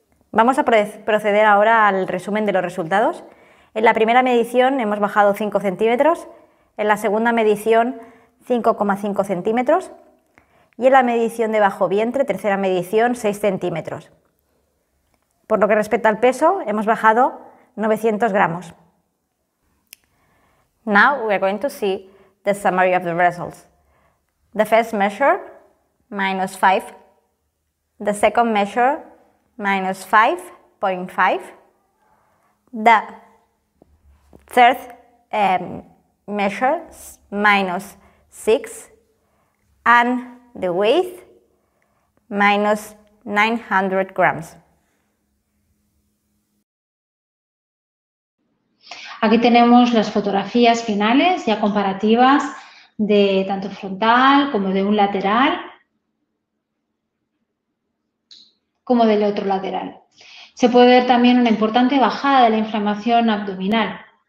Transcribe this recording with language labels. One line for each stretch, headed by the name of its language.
Spanish: Vamos a proceder ahora al resumen de los resultados. En la primera medición hemos bajado 5 centímetros, en la segunda medición 5,5 centímetros y en la medición de bajo vientre, tercera medición, 6 centímetros. Por lo que respecta al peso, hemos bajado 900 gramos.
English: Now we are going to see the summary of the results. The first measure, minus 5. The second measure, minus 5.5. The third measures minus 6 and the weight minus 900 grams.
Spanish: Aquí tenemos las fotografías finales ya comparativas de tanto frontal como de un lateral como del otro lateral. Se puede ver también una importante bajada de la inflamación abdominal.